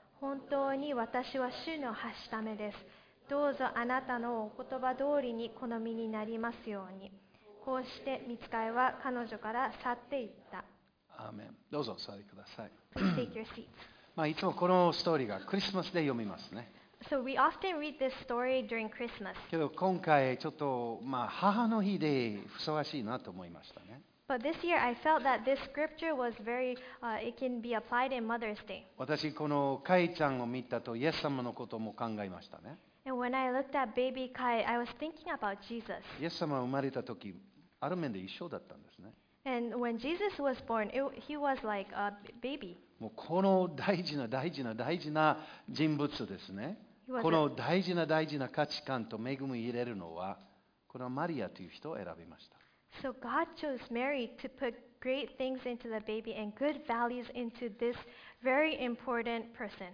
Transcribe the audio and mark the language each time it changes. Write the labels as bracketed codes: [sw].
[ja] 本当に私は主のはしためです。どうぞあなたのお言葉通りにこの身になりますように。こうして御使いは彼女から去っていった。アーメン。どうぞお座りください。 [en] Please take your seats. [ja] まあいつもこのストーリーがクリスマスで読みますね。 [en] So we often read this story during Christmas. [ja] けど今回ちょっとまあ母の日でふさわしいなと思いましたね。 [en] But this year, I felt that this scripture was very, it can be applied in Mother's Day. [ja] 私このカイちゃんを見たとイエス様のことも考えましたね。 [en] And when I looked at baby Kai, I was thinking about Jesus. [ja] イエス様は生まれた時、ある面で一緒だったんですね。 [en] And when Jesus was born, he was like a baby. [ja] もうこの大事な大事な大事な人物ですね。この大事な大事な価値観と恵みを入れるのは、このマリアという人を選びました。 [en] So God chose Mary to put great things into the baby and good values into this very important person.